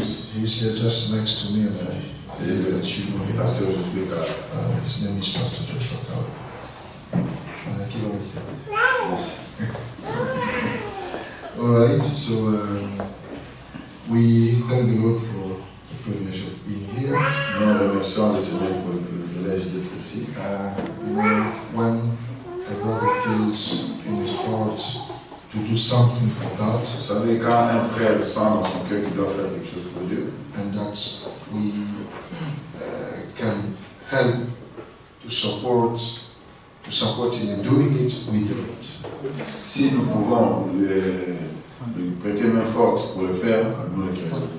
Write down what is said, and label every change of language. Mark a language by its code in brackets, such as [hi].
[en] he's here just next to me, and I believe that you know him. Pastor Josué Kalala. His name is Pastor Joshua Kalala. Alright, so we thank the Lord for the privilege of being here. [fr] Nous remercions le Seigneur pour le privilège d'être ici. [en] When a brother feels in his heart to do something for God, [fr] vous savez, quand un frère sent dans son cœur qu'il doit faire quelque chose pour Dieu, [en] and that we can help to support him in doing it, we do it. [fr] Si nous pouvons lui prêter main forte pour le faire, nous le faisons.